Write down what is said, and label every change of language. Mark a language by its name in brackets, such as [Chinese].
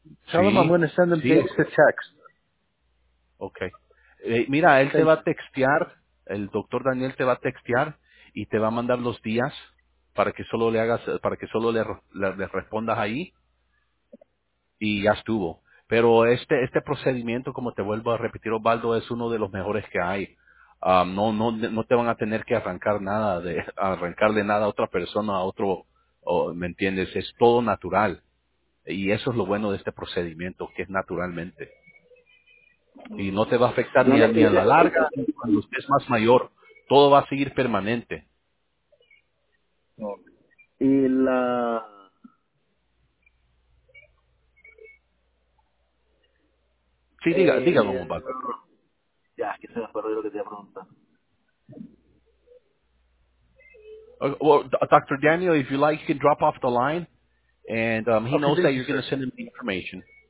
[English] Tell them I'm going to send them the text. Okay. [Spanish] Mira, él te va a textear, el doctor Daniel te va a textear y te va a mandar los días para que solo le respondas ahí y ya estuvo. Pero este procedimiento, como te vuelvo a repetir, Osvaldo, es uno de los mejores que hay. No te van a tener que arrancarle nada a otra persona, a otro, ¿me entiendes? Es todo natural. Y eso es lo bueno de este procedimiento, que es naturalmente. Y no te va a afectar ni a la larga, ni cuando estés más mayor. Todo va a seguir permanente. Y la... Sí, diga cómo va. Ya, es que se me perdió lo que te iba a preguntar. [English] Well, Dr. Daniel, if you like, you can drop off the line. And he knows that you're going to send him the information.